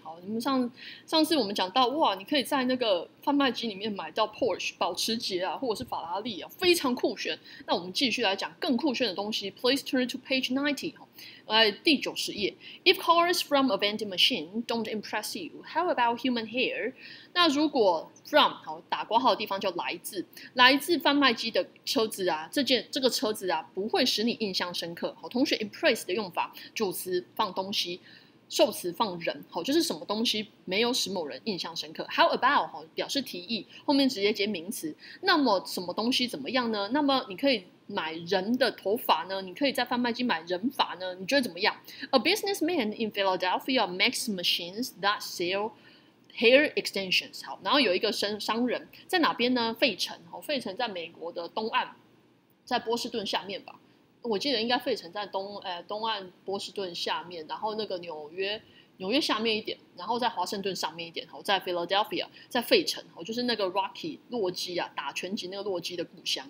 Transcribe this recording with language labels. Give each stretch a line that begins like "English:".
Chinese: 好，你们上次我们讲到，哇，你可以在那个贩卖机里面买到 Porsche, 保时捷啊，或者是法拉利啊，非常酷炫。那我们继续来讲更酷炫的东西。
English: Please turn to page 90.
Chinese: 第九十页
English: If cars from a vending machine don't impress you, how about human hair?
Chinese: 那如果 from, 好，打括号的地方叫来自贩卖机的车子啊，这个车子啊不会使你印象深刻。好，同学 impress 的用法，主词放东西，受词放人，好，就是什么东西没有使某人印象深刻。
English: How about,
Chinese: 好，表示提议，后面直接接名词。那么什么东西怎么样呢？那么你可以买人的头发呢？你可以在贩卖机买人发呢？你觉得怎么样？
English: A businessman in Philadelphia makes machines that sell hair extensions.
Chinese: 好，然后有一个商人在哪边呢？费城。好，费城在美国的东岸，在波士顿下面吧，我记得应该费城在东岸波士顿下面，然后那个纽约下面一点，然后在华盛顿上面一点，在 Philadelphia, 在费城，就是那个 Rocky 洛基啊，打拳击那个洛基的故乡。